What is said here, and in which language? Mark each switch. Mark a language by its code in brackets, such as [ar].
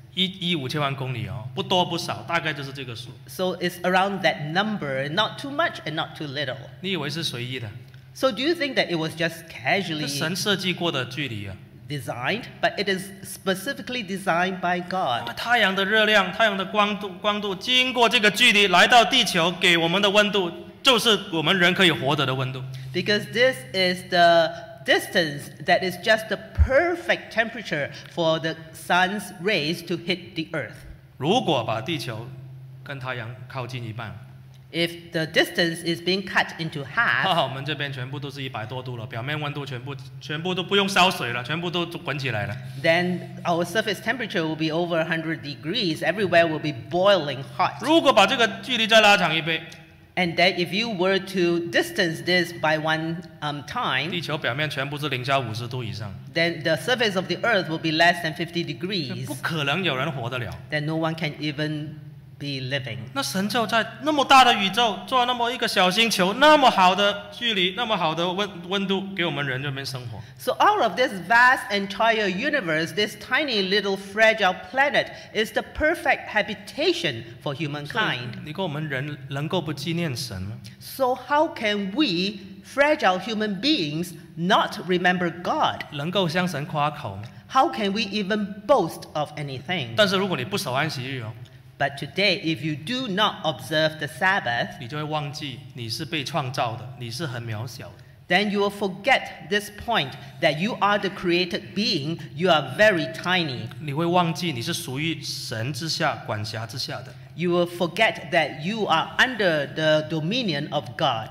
[zh] 115,000公里哦，不多不少，大概就是这个数。 [en] So it's around that number, not too much and not too little. [zh] 你以为是随意的？ [en] So do you think that it was just casually? [zh] 是神设计过的距离啊。 [en] Designed, but it is specifically designed by God. [zh] 太阳的热量，太阳的光度经过这个距离来到地球，给我们的温度就是我们人可以活着的温度。 [en] Because this is the distance that is just the perfect temperature for the sun's rays to hit the earth. [zh] 如果把地球跟太阳靠近一半， [en] if the distance is being cut into half, [zh] 我们这边全部都是100多度了，表面温度全部都不用烧水了，全部都滚起来了。 [en] Then our surface temperature will be over 100 degrees. Everywhere will be boiling hot. [zh] 如果把这个距离再拉长一倍。 [en] And that if you were to distance this by one time, [zh] 地球表面全部是零下50度以上。 [en] Then the surface of the earth will be less than 50 degrees. [zh] 不可能有人活得了。 [en] Then no one can even be living. [zh] 那神就在那么大的宇宙做那么一个小星球，那么好的距离，那么好的温度，给我们人这边生活。 [en] So all of this vast entire universe, this tiny little fragile planet, is the perfect habitation for humankind. [zh] 你跟我们人能够不纪念神吗？ [en] So how can we fragile human beings not remember God? [zh] 能够向神夸口吗？ [en] How can we even boast of anything? [zh] 但是如果你不守安息日哦。 [en] But today, if you do not observe the Sabbath, [zh] 你就会忘记你是被创造的，你是很渺小的。 [en] Then you will forget this point that you are the created being, you are very tiny. [zh] 你会忘记你是属于神之下、管辖之下的。 [en] You will forget that you are under the dominion of God.